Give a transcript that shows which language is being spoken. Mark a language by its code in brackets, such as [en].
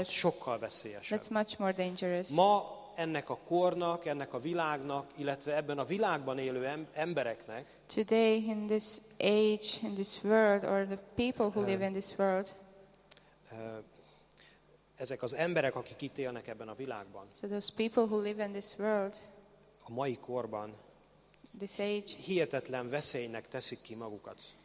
[hu] Az sokkal veszélyesebb. [en] That's much more dangerous. [hu] Ma ennek a kornak, ennek a világnak, illetve ebben a világban élő embereknek. [en] Today in this age, in this world, or the people who live in this world. [hu] Ezek az emberek, akik itt élnek ebben a világban. [en] So those people who live in this world. [hu] A mai korban. [en] This age. [hu] Hihetetlen veszélynek teszik ki magukat.